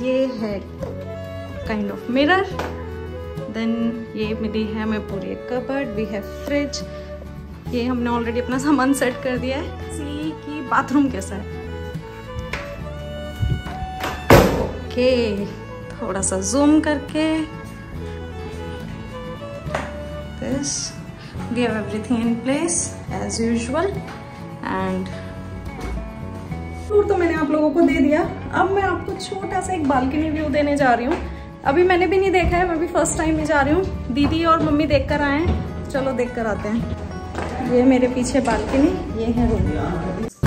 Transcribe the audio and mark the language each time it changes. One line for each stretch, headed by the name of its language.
Hindi: ये है kind of mirror, then ये मिली है हमें पूरी एक कबर्ड,
English: we have fridge,
Hindi: ये हमने ऑलरेडी अपना सामान सेट कर दिया है. सी कि बाथरूम कैसा है. ओके, थोड़ा सा जूम करके this.
English: We have everything in place as usual and tour
Hindi: तो मैंने आप लोगों को दे दिया. अब मैं आपको छोटा सा एक बालकनी व्यू देने जा रही हूँ. अभी मैंने भी नहीं देखा है, मैं भी फर्स्ट टाइम ही जा रही हूँ. दीदी और मम्मी देख कर आए हैं, चलो देख कर आते हैं. ये मेरे पीछे बालकनी, ये है रूम.